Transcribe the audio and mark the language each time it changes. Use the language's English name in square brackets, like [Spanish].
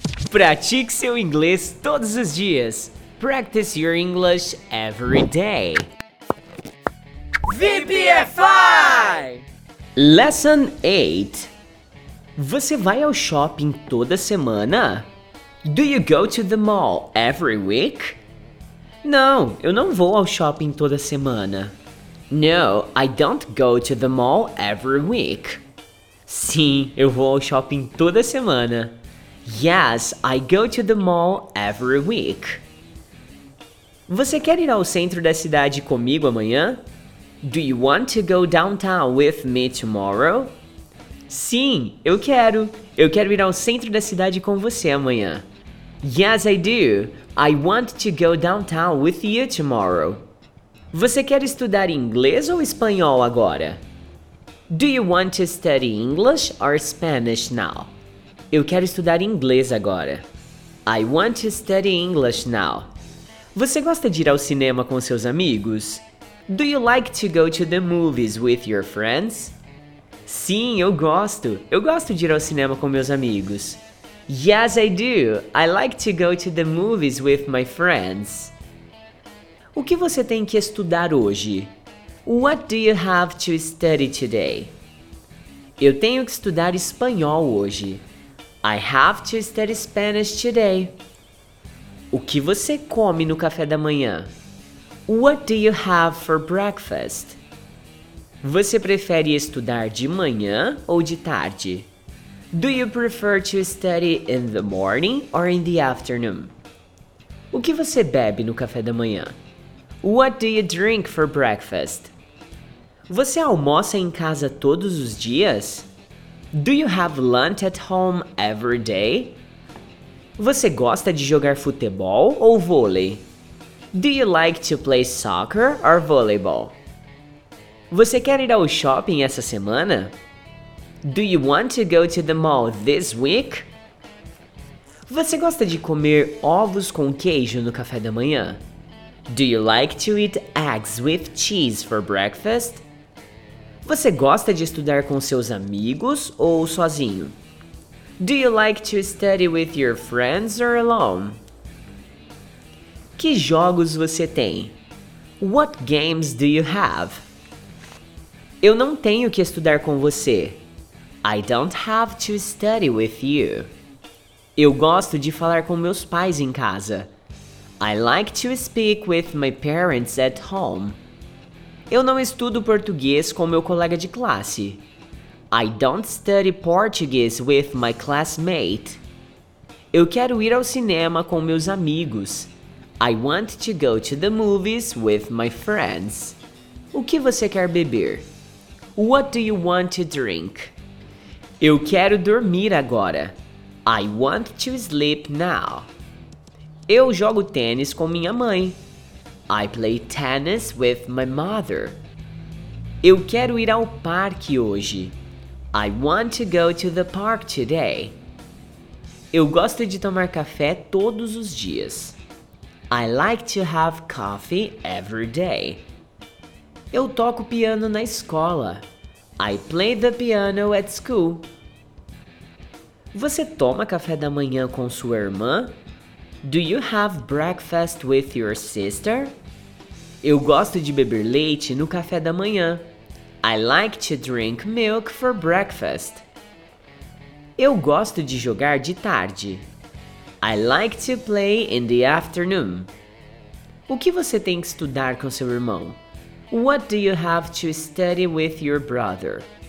[Portuguese] Pratique seu inglês todos os dias. [English] Practice your English every day. VPFI! Lesson 8. [Portuguese] Você vai ao shopping toda semana? [English] Do you go to the mall every week? [Portuguese] Não, eu não vou ao shopping toda semana. [English] No, I don't go to the mall every week. [Portuguese] Sim, eu vou ao shopping toda semana. [English] Yes, I go to the mall every week. [Portuguese] Você quer ir ao centro da cidade comigo amanhã? [English] Do you want to go downtown with me tomorrow? [Portuguese] Sim, eu quero. Eu quero ir ao centro da cidade com você amanhã. [English] Yes, I do. I want to go downtown with you tomorrow. [Portuguese] Você quer estudar inglês ou espanhol agora? [English] Do you want to study English or Spanish now? [Portuguese] Eu quero estudar inglês agora. [English] I want to study English now. [Portuguese] Você gosta de ir ao cinema com seus amigos? [English] Do you like to go to the movies with your friends? [Portuguese] Sim, eu gosto. Eu gosto de ir ao cinema com meus amigos. [English] Yes, I do. I like to go to the movies with my friends. [Portuguese] O que você tem que estudar hoje? [English] What do you have to study today? [Portuguese] Eu tenho que estudar espanhol hoje. [English] I have to study Spanish today. [Portuguese] O que você come no café da manhã? [English] What do you have for breakfast? [Portuguese] Você prefere estudar de manhã ou de tarde? [English] Do you prefer to study in the morning or in the afternoon? [Portuguese] O que você bebe no café da manhã? [English] What do you drink for breakfast? [Portuguese] Você almoça em casa todos os dias? [English] Do you have lunch at home every day? [Portuguese] Você gosta de jogar futebol ou vôlei? [English] Do you like to play soccer or volleyball? [Portuguese] Você quer ir ao shopping essa semana? [English] Do you want to go to the mall this week? [Portuguese] Você gosta de comer ovos com queijo no café da manhã? [English] Do you like to eat eggs with cheese for breakfast? [Portuguese] Você gosta de estudar com seus amigos ou sozinho? [English] Do you like to study with your friends or alone? [Portuguese] Que jogos você tem? [English] What games do you have? [Portuguese] Eu não tenho que estudar com você. [English] I don't have to study with you. [Portuguese] Eu gosto de falar com meus pais em casa. [English] I like to speak with my parents at home. [Portuguese] Eu não estudo português com meu colega de classe. [English] I don't study Portuguese with my classmate. [Portuguese] Eu quero ir ao cinema com meus amigos. [English] I want to go to the movies with my friends. [Portuguese] O que você quer beber? [English] What do you want to drink? [Portuguese] Eu quero dormir agora. [English] I want to sleep now. [Portuguese] Eu jogo tênis com minha mãe. [English] I play tennis with my mother. [Portuguese] Eu quero ir ao parque hoje. [English] I want to go to the park today. [Portuguese] Eu gosto de tomar café todos os dias. [English] I like to have coffee every day. [Portuguese] Eu toco piano na escola. [English] I play the piano at school. [Portuguese] Você toma café da manhã com sua irmã? [English] Do you have breakfast with your sister? [Portuguese] Eu gosto de beber leite no café da manhã. [English] I like to drink milk for breakfast. [Portuguese] Eu gosto de jogar de tarde. [English] I like to play in the afternoon. [Portuguese] O que você tem que estudar com seu irmão? [English] What do you have to study with your brother?